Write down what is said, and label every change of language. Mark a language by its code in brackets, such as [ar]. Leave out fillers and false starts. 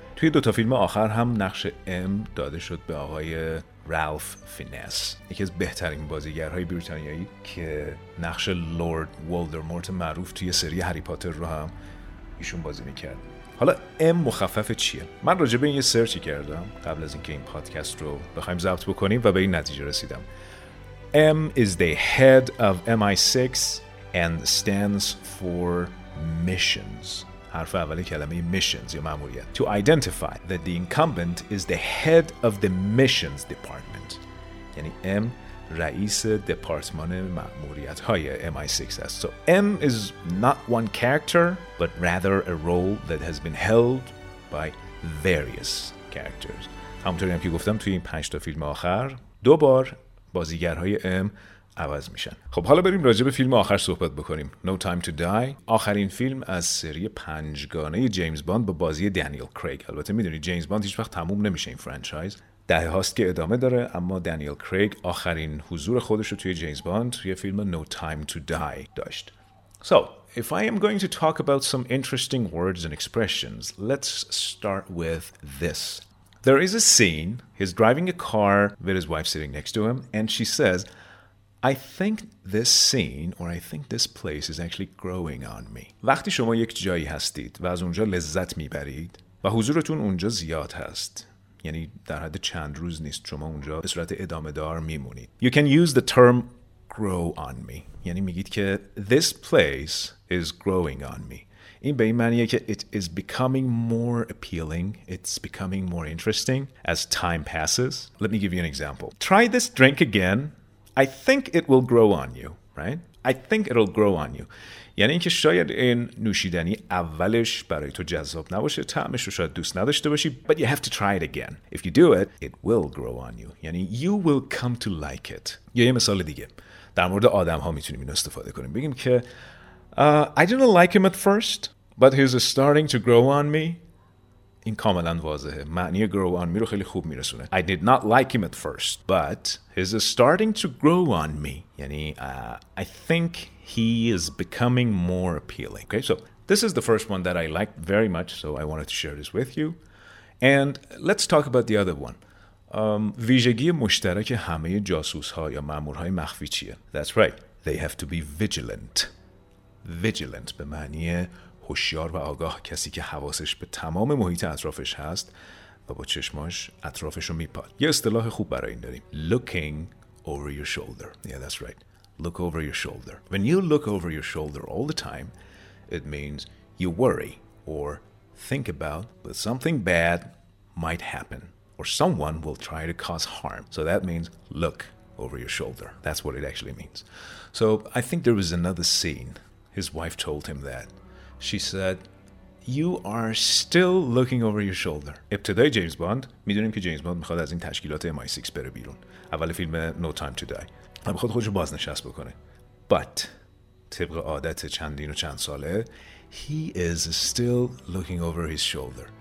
[fa] توی دوتا فیلم آخر هم نقش ام داده شد به آقای رالف فینس، یکی از بهترین بازیگرهای بریتانیایی که نقش لورد ولدمورت معروف توی سری هری پاتر رو هم ایشون بازی میکرد. حالا M مخفف چیه؟ من راجع به این یه سرچی کردم قبل از اینکه این پادکست رو بخوایم ضبط بکنیم و به این نتیجه رسیدم. [en] M is the head of MI6 and stands for missions. [fa] حرف اولی کلمه missions یا ماموریت. [en] To identify that the incumbent is the head of the missions department. [fa] یعنی M رئیس دپارتمان مأموریت های MI6 است. [en] So M is not one character but rather a role that has been held by various characters. [fa] همونطوری هم که گفتم توی این 5 تا فیلم آخر دو بار بازیگرهای M عوض میشن. خب حالا بریم راجع به فیلم آخر صحبت بکنیم. No Time to Die، آخرین فیلم از سری پنجگانه جیمز باند با بازی دانیل کریگ. البته میدونی جیمز باند هیچ وقت تموم نمیشه این فرانچایز. دهه هاست که ادامه داره، اما دانیل کریگ آخرین حضور خودش رو توی جیمز باند توی فیلم No Time to Die داشت. [en] So, if I am going to talk about some interesting words and expressions, let's start with this. There is a scene, he's driving a car with his wife sitting next to him, and she says, I think this scene or I think this place is actually growing on me. [fa] وقتی شما یک جایی هستید و از اونجا لذت میبرید و حضورتون اونجا زیاد هست، یعنی در حد چند روز نیست، شما اونجا به صورت ادامه دار میمونید. [en] You can use the term grow on me. [fa] یعنی میگید که [en] this place is growing on me. [fa] این به این معنیه که [en] it is becoming more appealing. It's becoming more interesting as time passes. Let me give you an example. Try this drink again. I think it will grow on you. Right? I think it'll grow on you. [fa] یعنی اینکه شاید این نوشیدنی اولش برای تو جذاب نباشه، طعمش رو شاید دوست نداشته باشی، [en] but you have to try it again. If you do it, it will grow on you. یعنی you will come to like it. [fa] یا یه مثال دیگه در مورد آدم ها میتونیم اینو استفاده کنیم، بگیم که [en] I didn't like him at first, but he's starting to grow on me. [fa] این کاملا واضحه، معنی grow on me رو خیلی خوب میرسونه. [en] I did not like him at first, but he's starting to grow on me. یعنی I think he is becoming more appealing. Okay, so this is the first one that I liked very much, so I wanted to share this with you. And let's talk about the other one. [fa] ویژگی مشترک همه جاسوس ها یا مامور های مخفی چیه؟ [en] That's right, they have to be vigilant. [fa] Vigilant به معنی هوشیار و آگاه، کسی که حواسش به تمام محیط اطرافش هست و با چشماش اطرافش رو میپاد. یه اصطلاح خوب برای این داریم. [en] Looking over your shoulder. Yeah, that's right. Look over your shoulder. When you look over your shoulder all the time, it means you worry or think about that something bad might happen or someone will try to cause harm. So that means look over your shoulder. That's what it actually means. So I think there was another scene. His wife told him that. She said, you are still looking over your shoulder. [fa] ابتدای جیمز باند میدونیم که جیمز باند میخواد از این تشکیلات MI6 بره بیرون. اول فیلم No Time to Die. و میخواد خودشو بازنشست بکنه. [en] But [fa] طبق عادت چندین و چند ساله [en] he is still looking over his shoulder.